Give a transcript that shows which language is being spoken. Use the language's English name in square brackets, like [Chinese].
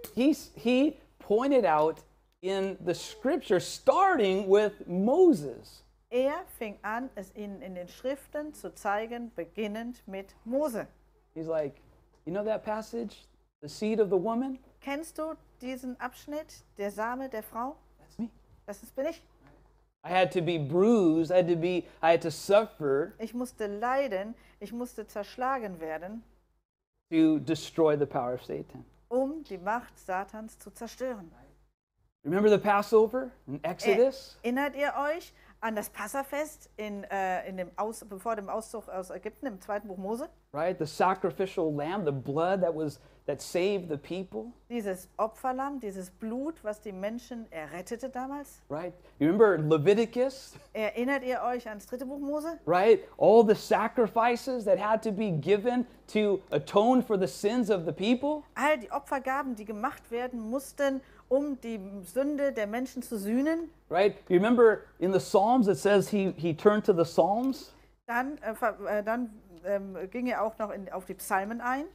[English] He pointed out in the scripture, starting with Moses. [German] Er fing an, es ihnen in den Schriften zu zeigen, beginnend mit Mose. [English] He's like, you know that passage, the seed of the woman? [German] Kennst du diesen Abschnitt, der Same der Frau? [English] That's me. [German] Das ist, bin ich. [English] I had to be bruised, I had to suffer. [German] Ich musste leiden, ich musste zerschlagen werden. [English] To destroy the power of Satan. [German] Um die Macht Satans zu zerstören. [English] Remember the Passover in Exodus? [German] Erinnert ihr euch an das Passafest bevor dem Auszug aus Ägypten im zweiten Buch Mose? [English] Right, the sacrificial lamb, the blood that saved the people. [German] Dieses Opferlamm, dieses Blut, was die Menschen errettete damals. [English] Right, you remember Leviticus? [German] Erinnert ihr euch ans dritte Buch Mose? [English] Right, all the sacrifices that had to be given to atone for the sins of the people. [German] All die Opfergaben, die gemacht werden mussten, um die Sünde der Menschen zu sühnen. [English] Right, you remember in the Psalms it says he turned to the Psalms. [German] Dann ging er auch noch auf die Psalmen ein.